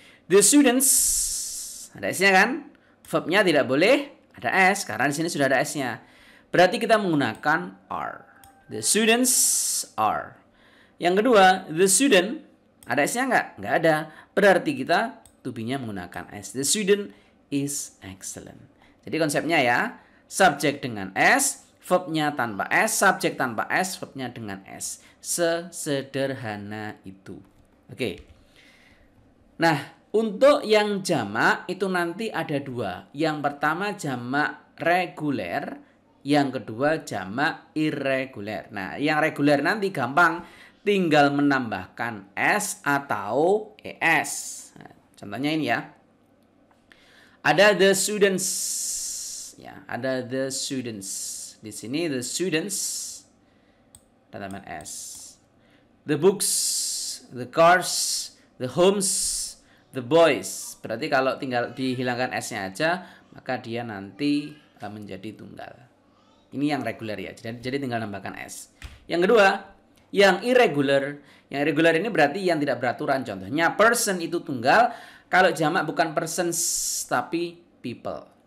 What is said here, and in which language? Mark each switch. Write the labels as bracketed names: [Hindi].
[Indonesian] The students, ada s-nya kan? Verbnya tidak boleh ada s karena di sini sudah ada s-nya. Berarti kita menggunakan are. [English] The students are. [Indonesian] Yang kedua, [English] the student, [Indonesian] ada s-nya enggak? Enggak ada. Berarti kita to be-nya menggunakan s. [English] The student is excellent. [Indonesian] Jadi konsepnya ya, subjek dengan s, verb-nya tanpa s, subjek tanpa s, verb-nya dengan s. Sesederhana itu. Oke. Okay. Nah, untuk yang jamak itu nanti ada dua. Yang pertama jamak reguler, yang kedua jamak irreguler. Nah, yang reguler nanti gampang, tinggal menambahkan s atau es. Nah, contohnya ini ya. Ada [English] the students. [Indonesian] Ya, ada [English] the students. [Indonesian] Di sini the students tambahan s. [English] The books, the cars, the homes, the boys. [Indonesian] Berarti kalau tinggal dihilangkan s-nya aja, maka dia nanti menjadi tunggal. Ini yang reguler ya. Jadi tinggal nambahkan s. Yang kedua, yang irregular. Yang irregular ini berarti yang tidak beraturan. Contohnya person itu tunggal, kalau jamak bukan persons tapi people.